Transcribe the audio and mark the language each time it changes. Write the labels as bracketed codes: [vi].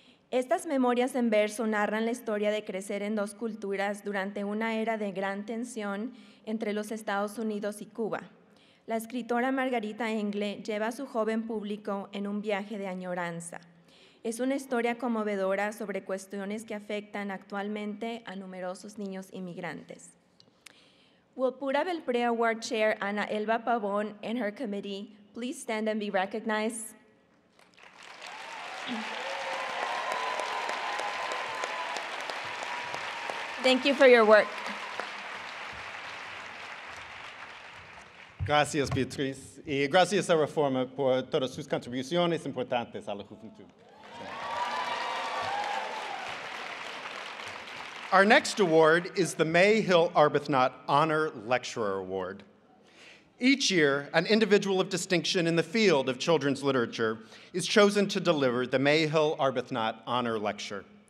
[es] Estas memorias en verso narran la historia de crecer en dos culturas durante una era de gran tensión entre los Estados Unidos y Cuba. La escritora Margarita Engle lleva a su joven público en un viaje de añoranza. Es una historia conmovedora sobre cuestiones que afectan actualmente a numerosos niños inmigrantes. [en] Will Pura Belpré Award Chair Ana Elba Pavón and her committee please stand and be recognized? Thank you for your work. [es] Gracias, Beatriz. Y gracias a Reforma por todas sus contribuciones importantes a la juventud. [en] Our next award is the May Hill Arbuthnot Honor Lecturer Award. Each year, an individual of distinction in the field of children's literature is chosen to deliver the May Hill Arbuthnot Honor Lecture.